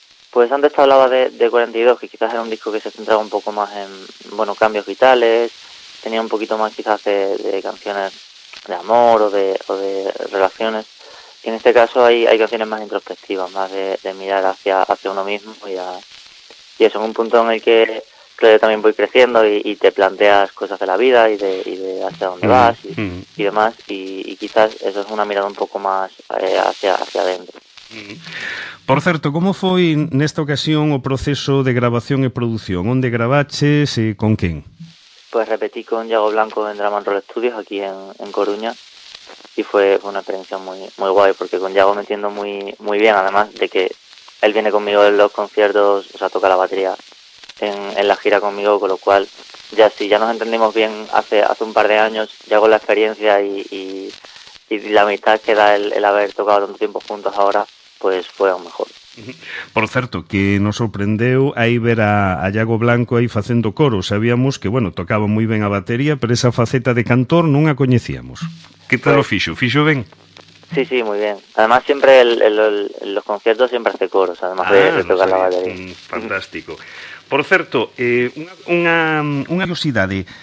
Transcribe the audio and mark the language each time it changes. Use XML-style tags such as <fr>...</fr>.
<es>Pues antes te hablaba de 42, que quizás era un disco que se centraba un poco más en, bueno, cambios vitales, tenía un poquito más quizás de canciones de amor o de relaciones, y en este caso hay canciones más introspectivas, más de mirar hacia uno mismo, y eso, en un punto en el que creo que también voy creciendo y te planteas cosas de la vida y de hacia dónde vas y demás, y quizás eso es una mirada un poco más hacia adentro.</es> <gl>Por certo, como foi nesta ocasión o proceso de grabación e producción? Onde grabaches e con quen?</gl> <es>Pues repetí con Iago Blanco en Drama and Roll Studios aquí en Coruña, y fue una experiencia muy muy guay, porque con Iago me entiendo muy muy bien, además de que él viene conmigo en los conciertos, o sea, toca la batería en la gira conmigo, con lo cual ya sí, ya nos entendimos bien hace un par de años, ya con la experiencia y la amistad que da el haber tocado tanto tiempo juntos ahora, pues fue aún mejor. Por cierto, que nos sorprendió ahí ver a Iago Blanco ahí haciendo coro. Sabíamos que, bueno, tocaba muy bien a batería, pero esa faceta de cantor no la conocíamos.</es> <gl>¿Qué tal lo fixo? ¿Fixo bien?</gl> <es>Sí, sí, muy bien. Además, siempre los conciertos siempre hace coros, además de tocar la batería. Fantástico.</es> <gl>Por certo, unha curiosidade.</gl>